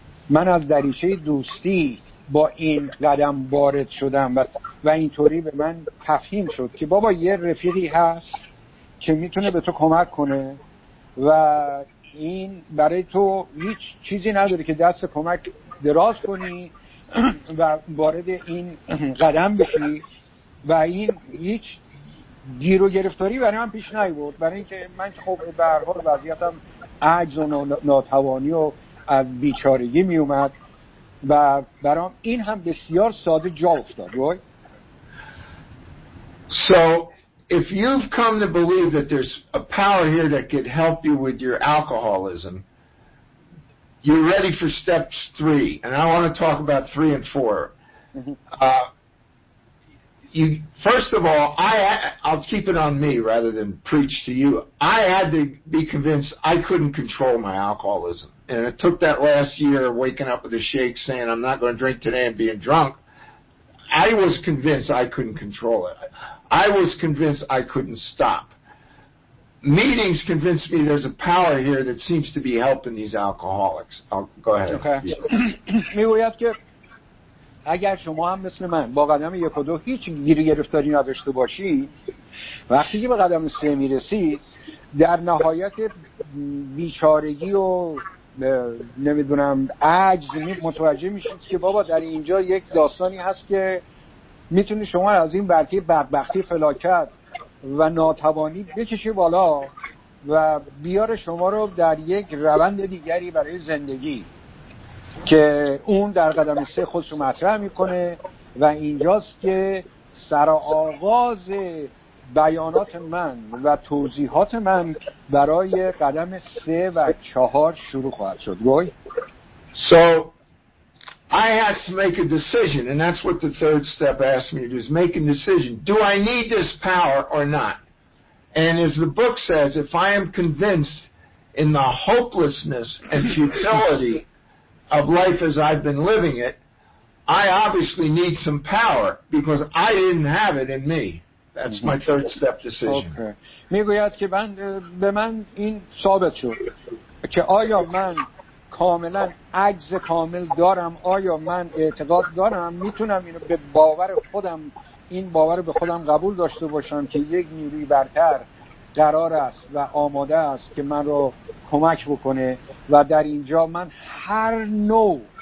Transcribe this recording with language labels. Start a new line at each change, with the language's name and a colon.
Persian: من از دریچه دوستی با این قدم وارد شدم و اینطوری به من تفهیم شد که بابا یه رفیقی هست که میتونه به تو کمک کنه و این برای تو هیچ چیزی نداره که دست کمک دراز کنی و وارد این قدم بشی. و این هیچ گیر و گرفتاری برای من پیش نیومد، برای اینکه من خب به هر حال وضعیتم عجز و ناتوانی و از بیچارگی می اومد و برام این هم بسیار ساده جا افتاد. روی
English: So if you've come to believe that there's a power here that could help you with your alcoholism, you're ready for steps three, and I want to talk about three and four. You, first of all, I'll keep it on me rather than preach to you. I had to be convinced I couldn't control my alcoholism, and it took that last year waking up with a shake saying I'm not going to drink today and being drunk. I was convinced I couldn't control it. I was convinced I couldn't stop. Meetings convinced me there's a power here that seems to be helping these alcoholics. Go ahead. Okay.
Persian: میگوید که اگر شما هم مثل من با قدم یک و دو هیچ گیری گرفتاری نداشته باشید، وقتی که به قدم سه میرسید در نهایت بیچارگی و نمیدونم عجز متوجه میشید که بابا در اینجا یک داستانی هست که میتونه شما از این برکه بدبختی فلاکت و ناتوانی بکشه بالا و بیاره شما رو در یک روند دیگری برای زندگی که اون در قدم سه خودش رو مطرح میکنه. و اینجاست که سر آغاز بیانات من و توضیحات من برای قدم سه و چهار شروع خواهد شد. گوی
English: So I had to make a decision, and that's what the third step asked me to do, is make a decision. Do I need this power or not? And as the book says, if I am convinced in the hopelessness and futility of life as I've been living it, I obviously need some power, because I didn't have it in me. That's my third step decision.
Persian: میگوید که به من این ثابت شد که آیا من کاملا عجز کامل دارم، آیا من اعتقاد دارم میتونم اینو به باور خودم، این باور به خودم قبول داشته باشم که یک نیروی برتر قرار است و آماده است که من رو کمک بکنه و در اینجا من هر نوع